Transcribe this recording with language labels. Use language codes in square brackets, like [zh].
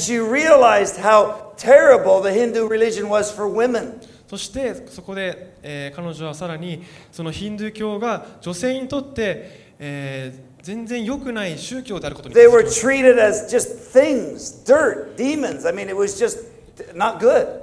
[en] And she realized how terrible the Hindu religion was for women. [ja] そしてそこで、彼女はさらにそのヒンドゥー教が女性にとって、全然良くない宗教であることに気づきました。 [en] They were treated as just things, dirt, demons. I mean, it was just not good.